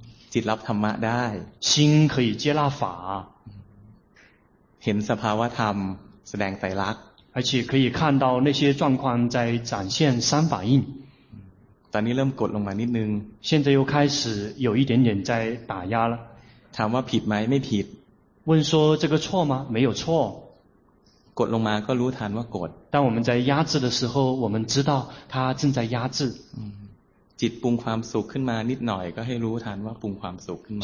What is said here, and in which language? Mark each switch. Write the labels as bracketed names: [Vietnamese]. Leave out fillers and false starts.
[Thai] จิตรับธรรมะได้ [Chinese] 心可以接纳法 [Thai] เห็นสภาวะธรรมแสดงไตรลักษ [Chinese] ณ์而且可以看到那些状况在展现三法印 [Thai] ตอนนี้เริ่มกดลงมานิดนึง [Chinese] 现在又开始有一点点在打压了 [Thai] ถามว่าผิดไหมไม่ผิด [Chinese] 问说这个错吗没有错 [Thai] กดลงมาก็รู้ทันว่ากด [Chinese] 当我们在压制的时候我们知道它正在压制 [Thai] จิตปรุงความสุขขึ้นมานิดหน่อยก็ให้รู้ทันว่าปรุงความสุขขึ้นมา